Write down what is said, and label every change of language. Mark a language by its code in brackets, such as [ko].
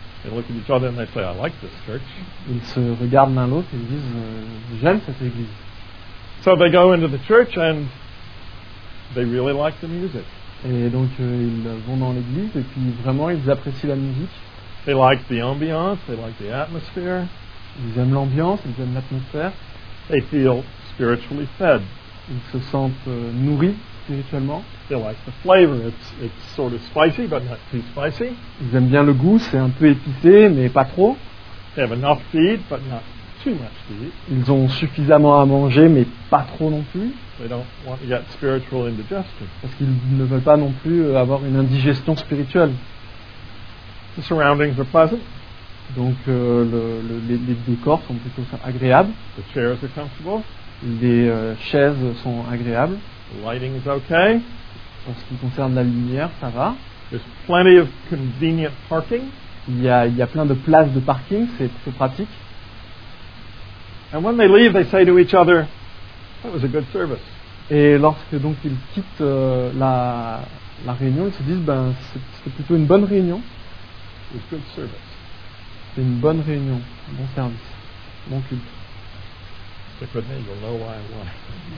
[en] They look at each other and they say, I like this church. [fr] Ils se regardent l'un l'autre et ils disent, j'aime cette église. [en] So they go into the church and they really like the music. [fr] Et donc ils vont dans l'église et puis vraiment ils apprécient la musique. [en] They like the ambiance, they like the atmosphere. [fr] Ils aiment l'ambiance, ils aiment l'atmosphère. [en] They feel spiritually fed. [fr] Ils se sentent nourris spirituellement. [en] They like the flavor. It's sort of spicy, but not too spicy. [fr] Ils aiment bien le goût. C'est un peu épicé, mais pas trop. [en] They have enough to eat, but not too much to eat. [fr] Ils ont suffisamment à manger, mais pas trop non plus. [en] They don't want to get spiritual indigestion. [fr] Parce qu'ils ne veulent pas non plus avoir une indigestion spirituelle. [en] The surroundings are pleasant. [fr] Donc les décors sont plutôt agréables. [en] The chairs are comfortable. [fr] Les chaises sont agréables. [en] Lighting is okay. [fr] En ce qui concerne la lumière, ça va. [en] There's plenty of convenient parking. [fr] Il y a plein de places de parking, c'est plutôt pratique. [en] And when they leave, they say to each other, that was a good service. [fr] Et lorsque donc ils quittent la réunion, ils se disent, ben c'était plutôt une bonne réunion. [en] It was good service. [fr] C'est une bonne réunion, un bon service, bon culte. [en] Stick with me, you'll know why I want.